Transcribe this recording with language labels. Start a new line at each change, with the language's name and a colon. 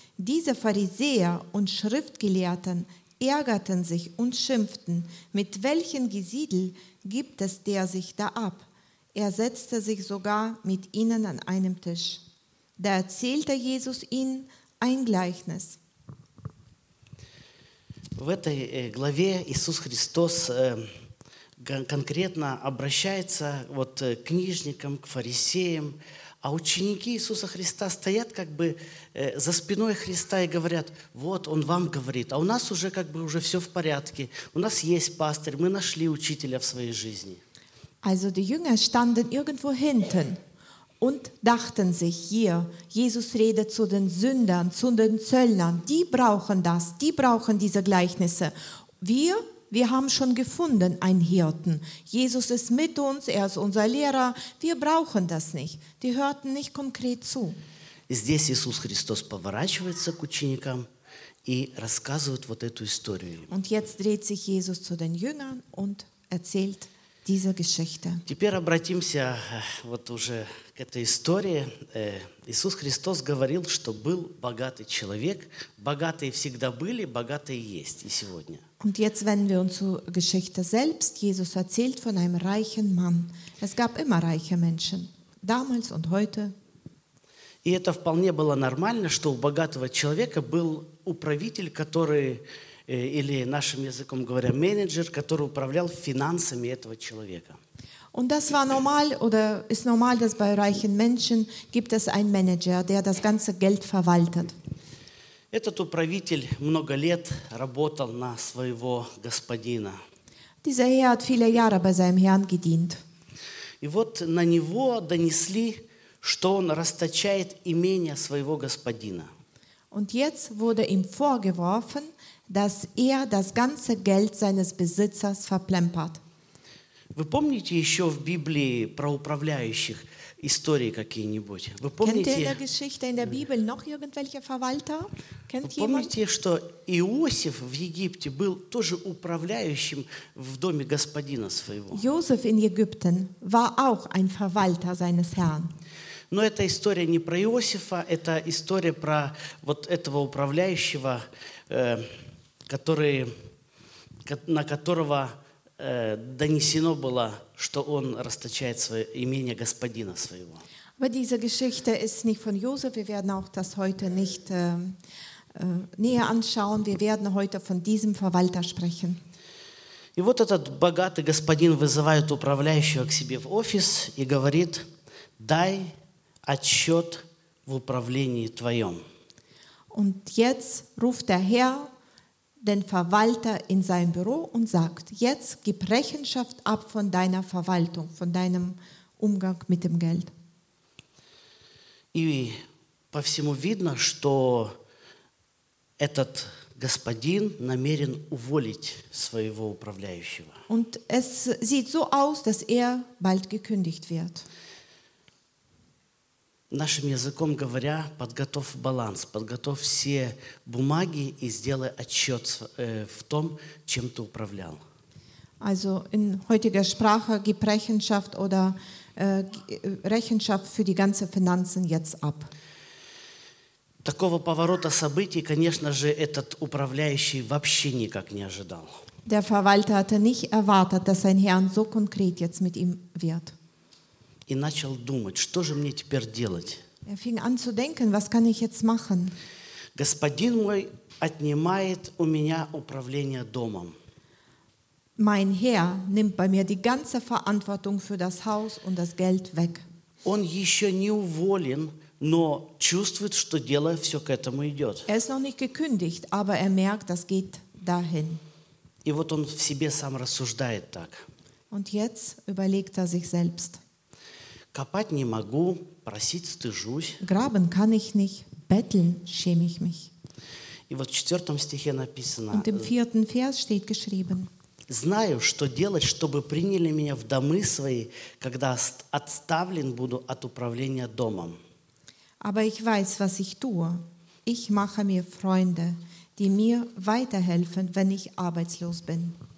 German: Diese Pharisäer und Schriftgelehrten ärgerten sich und schimpften, mit welchem Gesindel gibt es der sich da ab. Er setzte sich sogar mit ihnen an einem Tisch. Da erzählte Jesus ihnen ein Gleichnis.
Russian: В этой главе Иисус Христос конкретно обращается вот к книжникам, к фарисеям, а ученики Иисуса Христа стоят как бы за спиной Христа и говорят: вот он вам говорит, а у нас уже как бы уже все в порядке, у нас есть пастырь, мы нашли учителя в своей жизни.
German: Also die Jünger standen irgendwo hinten und dachten sich: hier, Jesus redet zu den Sündern, zu den Zöllnern, die brauchen das, die brauchen diese Gleichnisse. Wir haben schon gefunden einen Hirten. Jesus ist mit uns, er ist unser Lehrer. Wir brauchen das nicht. Die hörten nicht konkret zu.
Russian: Здесь Иисус Христос поворачивается к ученикам и рассказывает вот эту историю.
German: Und jetzt dreht sich Jesus zu den Jüngern und erzählt diese Geschichte.
Russian: Теперь обратимся вот уже к этой истории. Иисус Христос говорил, что был богатый человек. Богатые всегда были, богатые есть и сегодня.
German: Und jetzt wenden wir uns zur Geschichte selbst. Jesus erzählt von einem reichen Mann. Es gab immer reiche Menschen, damals und heute.
Russian: И это вполне было нормально, что у богатого человека был управитель, который, или нашим языком говоря, менеджер, который управлял финансами этого человека.
German: Und das war normal oder ist normal, dass bei reichen Menschen gibt es einen Manager, der das ganze Geld verwaltet.
Russian: Этот управитель много лет работал на своего господина.
German: Dieser Herr hat viele Jahre bei seinem Herrn gedient.
Russian: И вот на него донесли, что он расточает имение своего господина.
German: Und jetzt wurde ihm vorgeworfen, dass er das ganze Geld seines Besitzers verplempert.
Russian: Вы помните еще в Библии про управляющих истории какие-нибудь? Вы помните?
German: Kennt ihr in der Geschichte in der Bibel noch irgendwelche Verwalter? Kennt jemand?
Russian: Помните, что Иосиф в Египте был тоже управляющим в доме господина своего?
German: Josef in Ägypten war auch ein Verwalter seines Herrn.
Russian: Но эта история не про Иосифа, это история про вот этого управляющего, который, на которого донесено было, что он расточает свое имение господина своего.
German: Aber diese Geschichte ist nicht von Josef. Wir werden auch das heute nicht näher anschauen. Wir werden heute von diesem Verwalter sprechen.
Russian: И вот этот богатый господин вызывает управляющего к себе в офис и говорит: дай отчет в управлении твоем.
German: Und jetzt ruft der Herr den Verwalter in sein Büro und sagt: jetzt gib Rechenschaft ab von deiner Verwaltung, von deinem Umgang mit dem Geld.
Russian: И по всему видно, что этот господин намерен уволить своего управляющего.
German: Und es sieht so aus, dass er bald gekündigt wird.
Russian: Нашим языком говоря, подготовь баланс, подготовь все бумаги и сделай отчет в том, чем ты управлял.
German: Also in heutiger Sprache gib Rechenschaft oder Rechenschaft für die ganze Finanzen jetzt ab.
Russian: Такого поворота событий, конечно же, этот управляющий вообще никак не ожидал.
German: Der Verwalter hatte nicht erwartet, dass sein Herr so konkret jetzt mit ihm wird.
Russian: И начал думать, что же мне теперь делать?
German: Er fing an zu denken, was kann ich jetzt machen?
Russian: Господин мой отнимает у меня управление домом.
German: Mein Herr nimmt bei mir die ganze Verantwortung für das Haus und das Geld weg.
Russian: Он еще не уволен, но чувствует, что дело все к этому идет.
German: Er ist noch nicht gekündigt, aber er merkt, das geht dahin.
Russian: И вот он в себе сам рассуждает так.
German: Und jetzt überlegt er sich selbst.
Russian: Копать не могу, просить стыжусь.
German: Graben kann ich nicht, betteln schäme ich mich.
Russian: И вот в четвертом стихе написано.
German: Und im vierten Vers steht geschrieben.
Russian: Знаю, что делать, чтобы приняли меня в домы свои, когда отставлен буду от управления домом.
German: Aber ich weiß, was ich tue. Ich mache mir Freunde, die mir weiterhelfen, wenn ich arbeitslos bin.